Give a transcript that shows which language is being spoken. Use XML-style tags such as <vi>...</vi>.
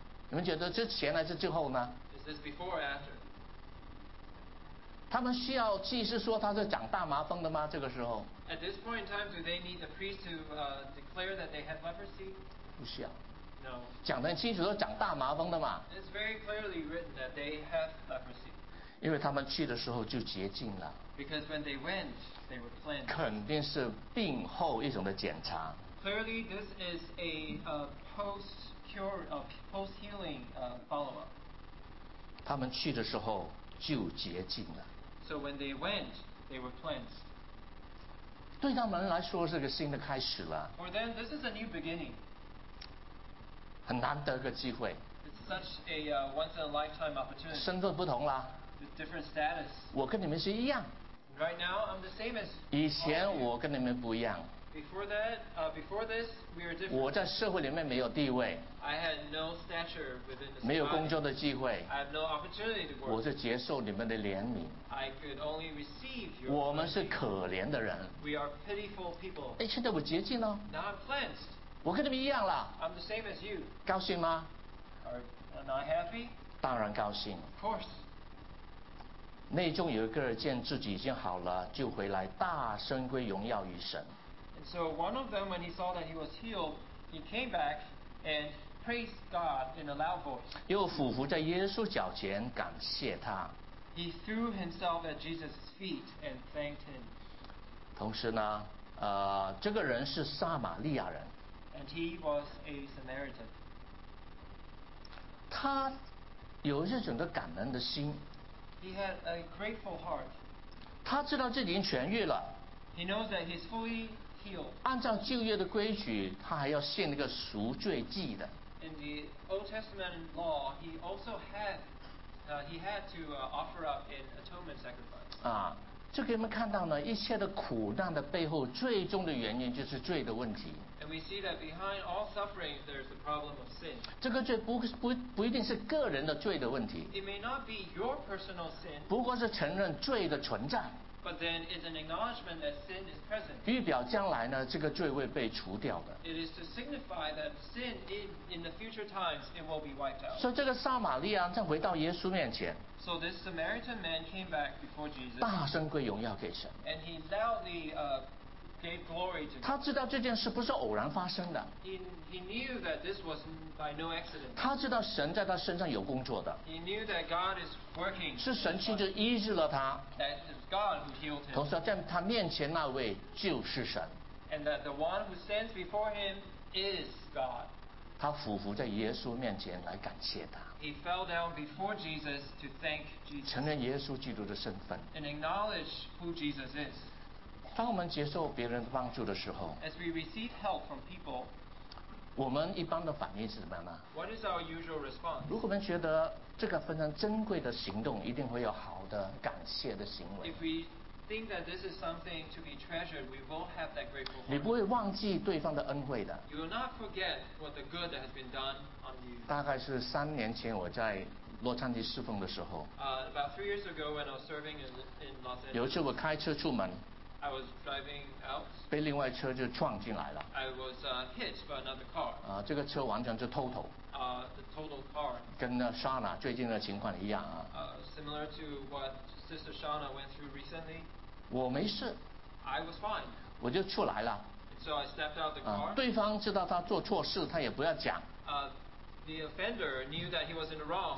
<zh>你们觉得之前还是之后呢</zh> <en>？Is this before or after?</en> <zh>他们需要祭司说他是长大麻风的吗？这个时候</zh> <en>？At this point in time, do they need the priest to declare that they have leprosy?</en> <zh>不需要。</zh> <en>No.</en> <zh>讲得很清楚，说长大麻风的嘛。</zh> <en>It's very clearly written that they have leprosy.</en> <zh>因为他们去的时候就洁净了。</zh> <en>Because when they went, they were cleansed.</en> <zh>肯定是病后一种的检查。</zh> <en>Clearly, this is a post-healing follow-up.</en> <zh>他们去的时候就洁净了。</zh> <en>So when they went, they were cleansed.</en> <zh>对他们来说是个新的开始了。</zh> <en>For them, this is a new beginning.</en> <zh>很难得个机会。</zh> <en>It's such a once-in-a-lifetime opportunity.</en> <zh>身份不同了。</zh> <en>With different status.</en> <zh>我跟你们是一样。</zh> <en>Right now, I'm the same as.</en> <zh>以前我跟你们不一样。</zh> <en>Before this, we are different.</en> <zh>我在社会里面没有地位。</zh> <en>I had no stature within the society.</en> <zh>没有工作的机会。</zh> <en>I have no opportunity to work.</en> <zh>我是接受你们的怜悯。</zh> <en>I could only receive your.</en> <zh>我们是可怜的人。</zh> <en>We are pitiful people.</en> <zh>哎，现在我洁净了。</zh> <en>Now I'm cleansed.</en> <zh>我跟你们一样了。</zh> <en>I'm the same as you.</en> <zh>高兴吗</zh> <en>？Are not happy?</en> <zh>当然高兴。</zh> <en>Of course.</en> <zh>内中有一个人见自己已经好了，就回来大声归荣耀于神。</zh> <en>And so one of them, when he saw that he was healed, he came back and praised God in a loud voice.</en> <zh>又俯伏在耶稣脚前感谢他。</zh> <en>He threw himself at Jesus' feet and thanked him.</en> <zh>同时呢，这个人是撒玛利亚人。</zh> <en>And he was a Samaritan.</en> <zh>他有这种的感恩的心。</zh> <en>He had a grateful heart.</en> <zh>他知道自己已经痊愈了。</zh> <en>He knows that he's fully healed.</en> <zh>按照旧约的规矩，他还要献那个赎罪祭的。</zh> <en>in the Old Testament law, he also had he had to offer up an atonement sacrifice.</en> <zh>啊，就给你们看到呢，一切的苦难的背后，最终的原因就是罪的问题。</zh> <en>And we see that behind all suffering, there is a problem of sin.</en> <zh>这个罪不一定是个人的罪的问题。</zh> <en>It may not be your personal sin.</en> <zh>不过是承认罪的存在。</zh> <en>But then it's an acknowledgement that sin is present.</en> <zh>预表将来呢，这个罪会被除掉的。</zh> <en>It is to signify that sin in the future times it will be wiped out.</en> <zh>所以这个撒玛利亚再回到耶稣面前。</zh> <en>So this Samaritan man came back before Jesus.</en> <zh>大声归荣耀给神。</zh> <en>And he loudly gave glory to God.</en> <zh>他知道这件事不是偶然发生的。</zh> <en>He knew that this was by no accident.</en> <zh>他知道神在他身上有工作的。</zh> <en>He knew that God is working.</en> <zh>是神亲自医治了他。</zh> <en>That is God who healed him.</en> <zh>同时在他面前那位就是神。</zh> <en>And that the one who stands before him is God.</en> <zh>他俯伏在耶稣面前来感谢他。</zh> <en>He fell down before Jesus to thank Jesus.</en> <zh>承认耶稣基督的身份。</zh> <en>And acknowledge who Jesus is.</en> <zh>当我们接受别人的帮助的时候</zh> <en>As we receive help from people,</en> <zh>我们一般的反应是什么样呢</zh> <en>What is our usual response?</en> <zh>如果我们觉得这个非常珍贵的行动一定会有好的感谢的行为</zh> <en>If we think that this is something to be treasured, we will have that grateful heart.</en> <zh>你不会忘记对方的恩惠的</zh> <en>You will not forget what the good that has been done on you.</en> <zh>大概是三年前我在洛杉矶侍奉的时候</zh> <en>About 3 years ago when I was serving in Los Angeles,</en> <zh>有一次我开车出门</zh> <en>I was driving out.</en> <zh>被另外车就撞进来了。</zh> <en>I was hit by another car.</en> <zh>啊，这个车完全是 total.</zh> <en>The total car.</en> <zh>跟那 Shana 最近的情况一样啊。</zh> <en>Similar to what Sister Shana went through recently.</en> <zh>我没事。</zh> <en>I was fine.</en> <zh>我就出来了。</zh> <en>So I stepped out the car.</en> <zh>对方知道他做错事，他也不要讲。</zh> <en>The offender knew that he was in the wrong.</en>